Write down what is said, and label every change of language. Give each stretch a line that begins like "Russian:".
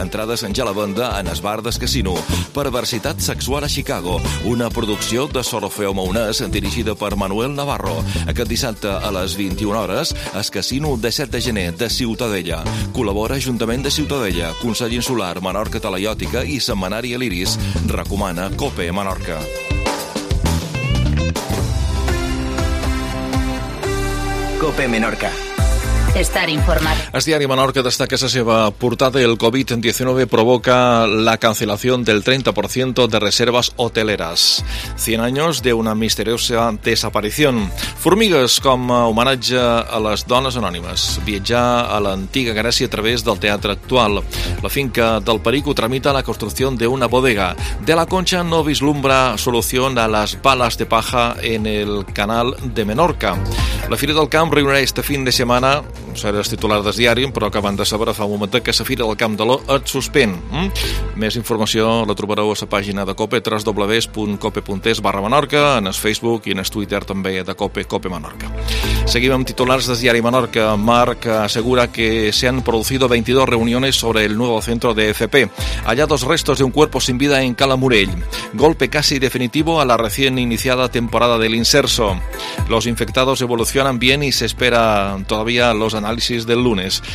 Catalan: Entrades en ja la venda en es bar del casino. Perversitat sexual a Chicago, una producció de Sorofeo Maunès dirigida per Manuel Navarro. Aquest dissabte a les 21 hores, es casino de 7 de gener de Ciutadella. Col·labora Ajuntament de Ciutadella, Consell Insular, Menorca Talaiòtica i Setmanari Eliris. Recomana COPE Menorca. COPE Menorca.
Spanish: Estar informado.
Catalan: El diari Menorca destaca esa seva portada.
Spanish: El COVID-19 provoca la cancelación del 30% de reservas hoteleras. 100 años de una misteriosa desaparición.
Catalan: Formigues com a homenatge a les dones anònimes. Viatjar a l'antiga Grècia a través del teatre actual.
Spanish: La finca del Perico tramita la construcción de una bodega. De la Concha no vislumbra solución a las balas de paja en el canal de Menorca.
Catalan: La Fira del Camp reunirà
Spanish: este fin de semana...
Catalan: Serà el titular del diari, però acaben de saber fa un moment que la Fira del Camp de l'O et suspèn. Més informació la trobareu a la pàgina de COPE, www.cope.es/Menorca, en el Facebook i en el Twitter també de COPE, COPE Menorca. Seguim amb titulars del diari Menorca. Marc assegura que
Spanish: se han producido 22 reuniones sobre el nuevo centro de FP. Hallados restos de un cuerpo sin vida en Cala Morell. Golpe casi definitivo a la recién iniciada temporada del inserso. Los infectados evolucionan bien y se espera todavía los análisis del lunes.